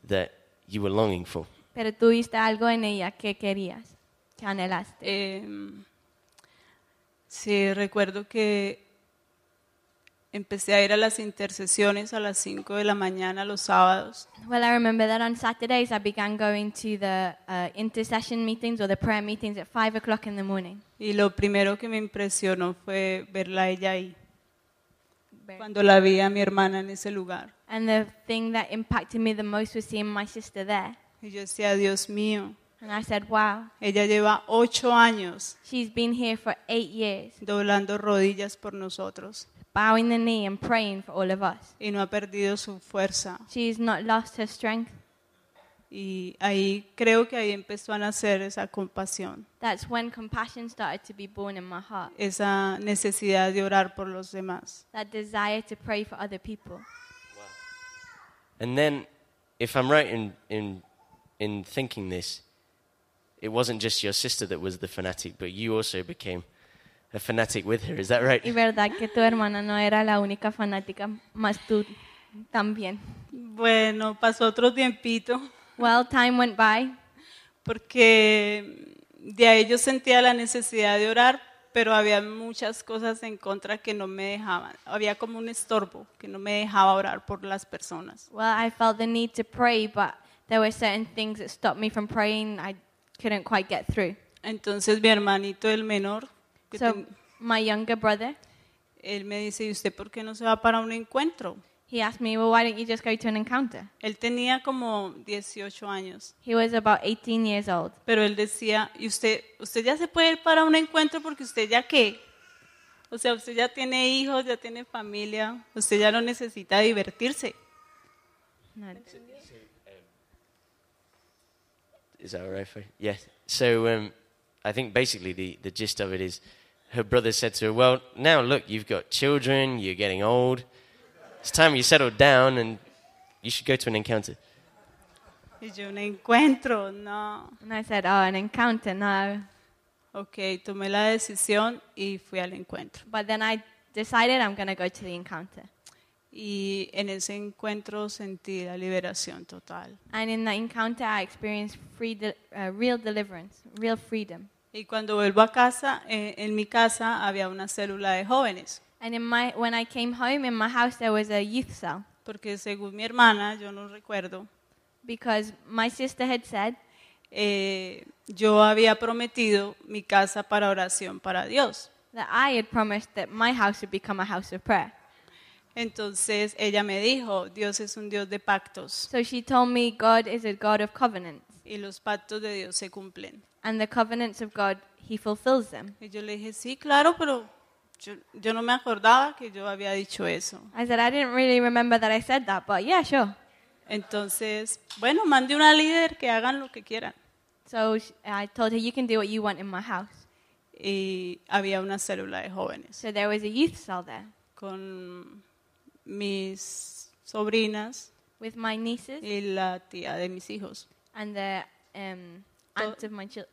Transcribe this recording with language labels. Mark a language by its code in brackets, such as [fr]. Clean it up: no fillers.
[en] That you were longing for. [es] Pero tú viste algo en ella que querías, que anhelaste. Sí, recuerdo que empecé a ir a las intercesiones a las 5 de la mañana los sábados. [en] Well, I remember that on Saturdays I began going to the intercession meetings or the prayer meetings at 5 o'clock in the morning. [es] Y lo primero que me impresionó fue verla a ella ahí. Cuando la vi a mi hermana en ese lugar. [en] And the thing that impacted me the most was seeing my sister there. [es] Y yo decía, Dios mío. [en] And I said, wow. [es] Ella lleva 8 años. [en] She's been here for 8 years. [es] Doblando rodillas por nosotros. [en] Bowing the knee and praying for all of us. [es] Y no ha perdido su fuerza. [en] She's not lost her strength. [es] Y ahí creo que ahí empezó a nacer esa compasión. [en] That's when compassion started to be born in my heart. [es] Esa necesidad de orar por los demás. [en] That desire to pray for other people. Wow. And then, if I'm right in thinking this, it wasn't just your sister that was the fanatic, but you also became a fanatic with her, is that right? [es] Y verdad que tu hermana no era la única fanática, más tú también. Bueno, pasó otro tiempito. [en] Well, time went by. [es] Porque de ahí yo sentía la necesidad de orar, pero había muchas cosas en contra que no me dejaban. Había como un estorbo que no me dejaba orar por las personas. [en] Well, I felt the need to pray, but there were certain things that stopped me from praying. I couldn't quite get through. [es] Entonces mi hermanito el menor. [en] So, my younger brother. [es] Él me dice, ¿y usted por qué no se va para un encuentro? [en] He asked me, well, why don't you just go to an encounter? [es] Él tenía como 18 años. [en] He was about 18 years old. [es] Pero él decía, ¿y usted ya se puede ir para un encuentro porque usted ya qué? O sea, usted ya tiene hijos, ya tiene familia, usted ya no necesita divertirse. [en] Is that right for you? Yes. So, I think basically the gist of it is her brother said to her, well, now look, you've got children, you're getting old. It's time you settled down and you should go to an encounter. [es] Dije, un encuentro, no. [en] And I said, oh, an encounter, no. [es] Okay, tomé la decisión y fui al encuentro. [en] But then I decided I'm going to go to the encounter. [es] Y en ese encuentro sentí la liberación total. [en] And in that encounter I experienced real deliverance, real freedom. [es] Y cuando vuelvo a casa, en mi casa había una célula de jóvenes. [en] And when I came home, in my house there was a youth cell. [es] Porque según mi hermana, yo no recuerdo. [en] Because my sister had said, [es] yo había prometido mi casa para oración para Dios. [en] That I had promised that my house would become a house of prayer. [es] Entonces ella me dijo, Dios es un Dios de pactos. [en] So she told me, God is a God of covenants. [es] Y los pactos de Dios se cumplen. [en] And the covenants of God, he fulfills them. [es] Y yo le dije, sí, claro, pero yo no me acordaba que yo había dicho eso. [en] I said, I didn't really remember that I said that, but yeah, sure. [es] Entonces, bueno, mande una líder que hagan lo que quieran. [en] So I told her, you can do what you want in my house. [es] Y había una célula de jóvenes. [en] So there was a youth cell there. [es] Con mis sobrinas. [en] With my nieces. [es] Y la tía de mis hijos. [en] And the aunt of my children.